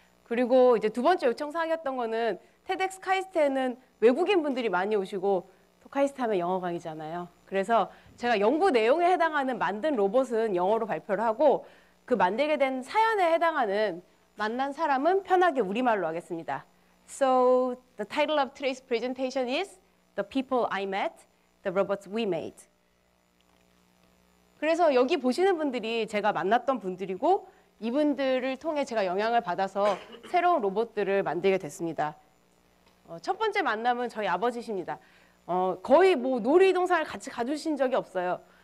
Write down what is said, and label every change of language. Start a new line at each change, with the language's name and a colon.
Korean: 그리고 이제 두 번째 요청사항이었던 거는 테덱스 카이스트에는 외국인 분들이 많이 오시고 또 카이스트 하면 영어 강의잖아요. 그래서 제가 연구 내용에 해당하는 만든 로봇은 영어로 발표를 하고 그 만들게 된 사연에 해당하는 만난 사람은 편하게 우리말로 하겠습니다.
English: So the title of today's presentation is The People I Met, The Robots We Made.
Korean: 그래서 여기 보시는 분들이 제가 만났던 분들이고 이분들을 통해 제가 영향을 받아서 새로운 로봇들을 만들게 됐습니다. 첫 번째 만남은 저희 아버지십니다. 거의 뭐 놀이동산을 같이 가주신 적이 없어요.